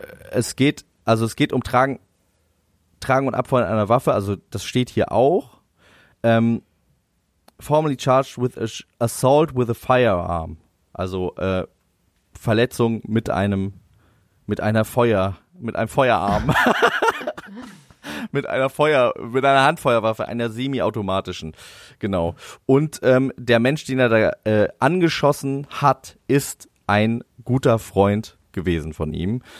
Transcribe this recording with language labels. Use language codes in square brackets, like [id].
[de] Es geht um Tragen und Abfeuern einer Waffe, also das steht hier auch. [en] Formally charged with assault with a firearm. [de] Also Verletzung mit einem Feuerarm. mit einer Handfeuerwaffe, einer semiautomatischen, genau. Und der Mensch, den er da angeschossen hat, ist ein guter Freund gewesen von ihm.